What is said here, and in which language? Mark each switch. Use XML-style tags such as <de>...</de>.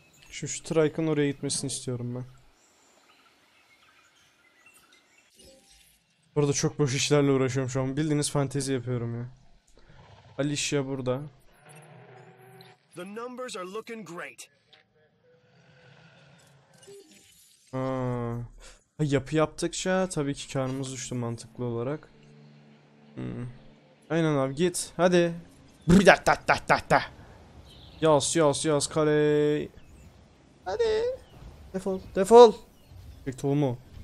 <tr>Şu Trike'ın oraya gitmesini istiyorum ben. Burada çok boş işlerle uğraşıyorum şu an. Bildiğiniz fantezi yapıyorum ya. Alicia burada.</tr> <en>The numbers are looking great.</en> <tr>Ha, yapı yaptıkça tabii ki karımız düştü mantıklı olarak. Aynen abi, git hadi. Bir dakika. Yaz kare. Hadi. Defol. Bir tohumu.</tr>